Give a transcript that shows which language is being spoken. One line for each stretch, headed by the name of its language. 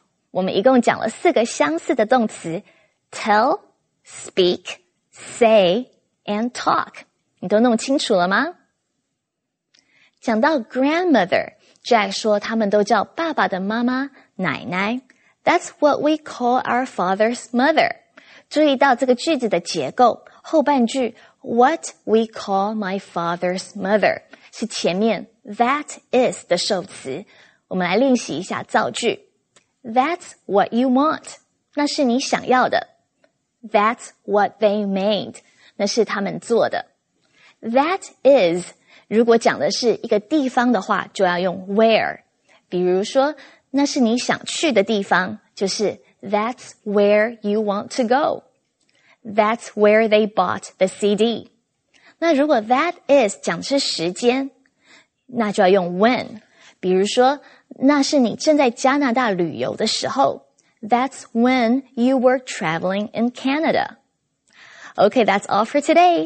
Chinese: 我们一共讲了四个相似的动词， tell, speak, say, and talk，你都弄清楚了吗？讲到 grandmother， Jack 说他们都叫爸爸的妈妈奶奶。
English: That's what we call our father's mother.
Chinese: 注意到这个句子的结构，后半句
English: what we call my father's mother
Chinese: 是前面 that is 的受词。我们来练习一下造句。
English: That's what you want.
Chinese: 那是你想要的。
English: That's what they made.
Chinese: 那是他们做的。 That is, 如果讲的是一个地方的话，就要用 where。比如说，那是你想去的地方，就是
English: That's where you want to go. That's where they bought the CD.
Chinese: 那如果 that is 讲的是时间，那就要用 when。比如说，那是你正在加拿大旅游的时候。
English: That's when you were traveling in Canada. Okay, that's all for today.